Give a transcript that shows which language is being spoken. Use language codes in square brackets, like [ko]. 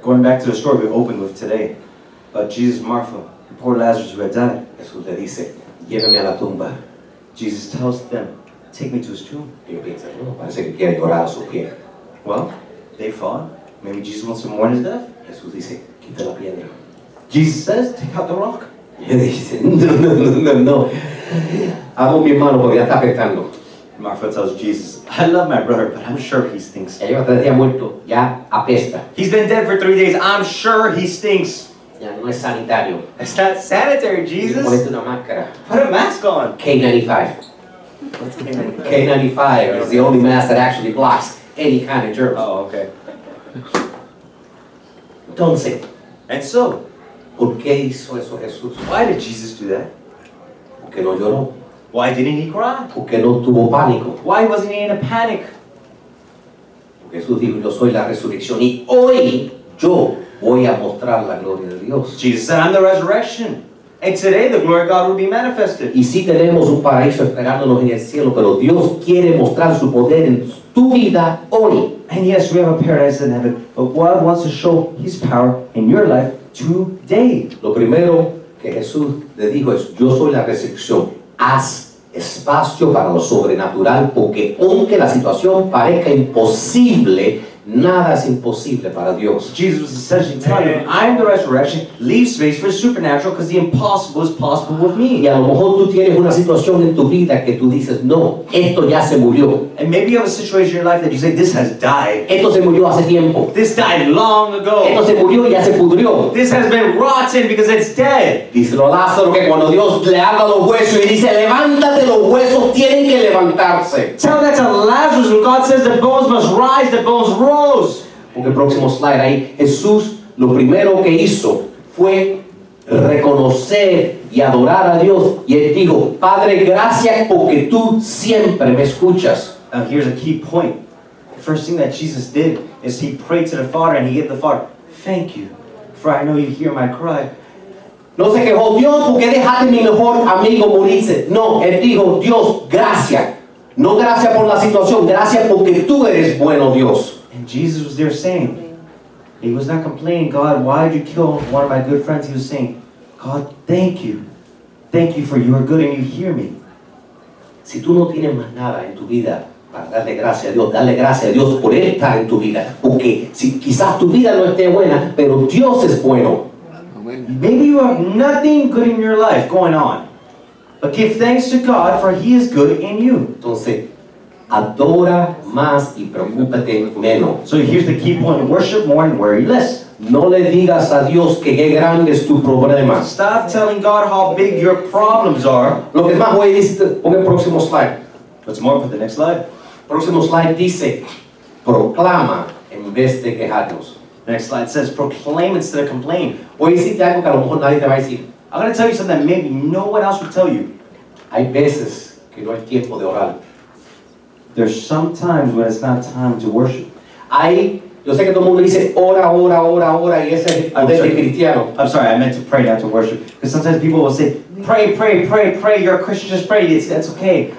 [en] Going back to the story we opened with today, about Jesus, Martha, the poor Lazarus who had died. [es] Jesús le dice, lléveme a la tumba. [en] Jesus tells them, take me to his tomb. [es] Y yo pienso, no, parece que quiere llorar a su pie. [en] Well, they fought. Maybe Jesus wants to mourn his death. [es] Jesús dice, quita la piedra. [en] Jesus says, take out the rock. [es] Y él dice, no. Amo mi hermano porque ya está pecando. [en] Martha tells Jesus, I love my brother, but I'm sure he stinks. [es] Ya lleva 3 días muerto. Ya apesta. [en] He's been dead for 3 days. I'm sure he stinks. [es] Ya no es sanitario. [en] It's not sanitary, Jesus. [es] Y ponete una máscara. [en] Put a mask on. K95. What's K95? K95 is the only mask that actually blocks any kind of germs. Oh, okay. [es] Entonces, [en] and so, [es] ¿por qué hizo eso Jesús? [en] Why did Jesus do that? [es] ¿Por qué no lloró? [en] Why didn't he cry? [es] ¿Por qué no tuvo pánico? [en] Why wasn't he in a panic? [es] Porque Jesús dijo, yo soy la resurrección y hoy yo voy a mostrar la gloria de Dios. [en] Jesus said, I'm the resurrection. And today the glory of God will be manifested. [es] Y si tenemos un paraíso esperándonos en el cielo, pero Dios quiere mostrar su poder en tu vida hoy. [en] And yes, we have a paradise in heaven, but God wants to show His power in your life today. [es] Lo primero que Jesús le dijo es, yo soy la resurrección. Haz espacio para lo sobrenatural, porque aunque la situación parezca imposible, nada es imposible para Dios. [en] Jesus is essentially telling him, I am the resurrection. Leave space for supernatural because the impossible is possible with me. [es] Y a lo mejor tú tienes una situación en tu vida que tú dices, no, esto ya se murió. [en] And maybe you have a situation in your life that you say, this has died. [es] Esto se murió hace tiempo. [en] This died long ago. [es] Esto se murió y ya se pudrió. [en] This has been rotten because it's dead. [es] Díselo a Lázaro que cuando Dios le habla los huesos y dice, levántate, los huesos tienen que levantarse. [en] Tell that to Lazarus when God says the bones must rise, the bones rise. [es] Porque el próximo slide ahí, Jesús lo primero que hizo fue reconocer y adorar a Dios. Y él dijo, Padre, gracias porque tú siempre me escuchas. [en] Now here's a key point. The first thing that Jesus did is he prayed to the Father and he gave the Father, thank you, for I know you hear my cry. [es] No se quejó, Dios, porque dejaste mi mejor amigo morirse. No, él dijo, Dios, gracias. No gracias por la situación, gracias porque tú eres bueno, Dios. [en] And Jesus was there saying, he was not complaining, God, why did you kill one of my good friends? He was saying, God, thank you. Thank you for your good and you hear me. [es] Si tú no tienes más nada en tu vida para darle gracias a Dios, dale gracias a Dios por él estar en tu vida. Porque si quizás tu vida no esté buena, pero Dios es bueno. [en] Maybe you have nothing good in your life going on. But give thanks to God for he is good in you. [es] Entonces, adora más y preocúpate menos. [en] So here's the key point. Worship more and worry less. [es] No le digas a Dios que qué grande es tu problema. [en] Stop telling God how big your problems are. [es] Lo que más voy a decir, pon el próximo slide. [en] What's more, put the next slide. [es] Próximo slide dice, proclama en vez de quejarnos. [en] Next slide says, proclaim instead of complain. [es] Voy a decirte algo que a lo mejor nadie te va a decir. [en] I'm going to tell you something that maybe no one else would tell you. [es] Hay veces que no hay tiempo de orar. [en] There's some times when it's not time to worship. [es] Ahí, yo sé que todo el mundo dice, ora, y ese es el cristiano. [en] I'm sorry, I meant to pray, not to worship. Because sometimes people will say, pray, you're a Christian, just pray, it's okay.